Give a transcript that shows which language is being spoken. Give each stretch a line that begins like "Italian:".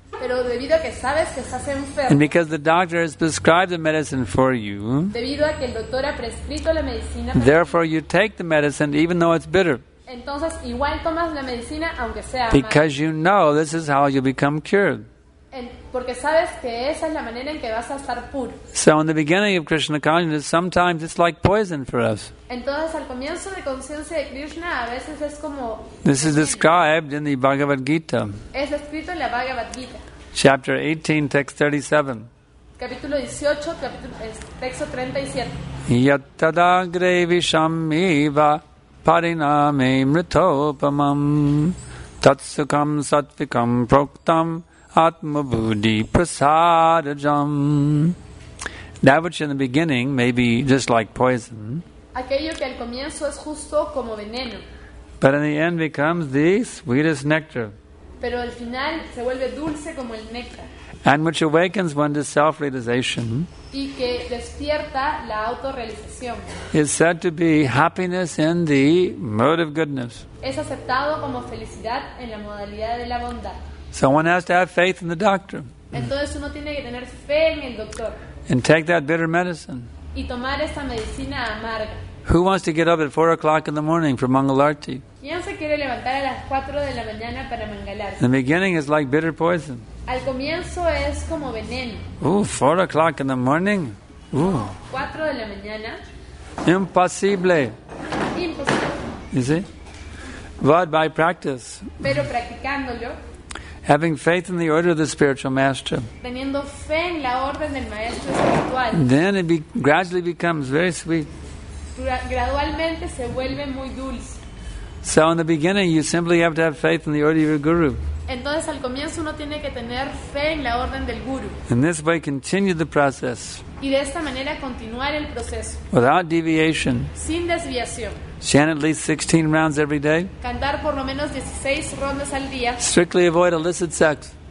Spanish: pero debido a que sabes que estás enfermo,
English: and because the doctor has prescribed the medicine for you,
Spanish: debido a que el doctor ha prescrito la medicina,
English: therefore you take the medicine even though it's bitter.
Spanish: Entonces, igual tomas la medicina, aunque sea amarga.
English: Because you know this is how you become cured.
Spanish: Porque sabes que esa es la manera en que vas a estar puro.
English: So in the beginning of Krishna consciousness, sometimes it's like poison for us.
Spanish: Entonces, al comienzo de conciencia de Krishna, a veces es como...
English: This is described in the Bhagavad Gita.
Spanish: Es escrito en la Bhagavad Gita.
English: Chapter 18, text 37.
Spanish: Capítulo 18, texto 37.
Sanskrit: Yatadagre vishamiva pariname mritopamam tatsukam satvikam proktam Atmabuddhi prasadajam.
English: That which in the beginning may be just like poison,
Spanish: aquello que al comienzo es justo como veneno,
English: but in the end becomes the sweetest nectar,
Spanish: pero al final se vuelve dulce como el néctar,
English: and which awakens one to self-realization,
Spanish: y que despierta la autorrealización,
English: is said to be happiness in the mode of goodness.
Spanish: Es aceptado como felicidad en la modalidad de la bondad.
English: So one has to have faith in the doctor.
Spanish: Entonces uno tiene que tener fe en el doctor.
English: And take that bitter medicine.
Spanish: Y tomar esta medicina amarga.
English: Who wants to get up at 4 o'clock in the morning for Mangalarti?
Spanish: ¿Quién se quiere levantar a las 4 de la mañana para Mangalarti?
English: The beginning is like bitter poison.
Spanish: Al comienzo es como veneno.
English: Ooh, 4 o'clock in the morning. Ooh.
Spanish: 4 de la mañana.
English: Impossible. Impossible. You see? But by practice.
Spanish: Pero practicándolo.
English: Having faith in the order of the spiritual master.
Spanish: Teniendo fe en la orden del maestro espiritual.
English: Then it gradually becomes very sweet.
Spanish: Gradualmente se vuelve muy dulce.
English: So in the beginning you simply have to have faith in the order of your guru.
Spanish: Entonces al comienzo uno tiene que tener fe en la orden del guru.
English: In this way continue the process.
Spanish: Y de esta manera continuar el proceso.
English: Without deviation.
Spanish: Sin desviación.
English: Chant at least 16 rounds every day.
Spanish: Cantar por lo menos 16 rondas al día.
English: Strictly avoid illicit sex.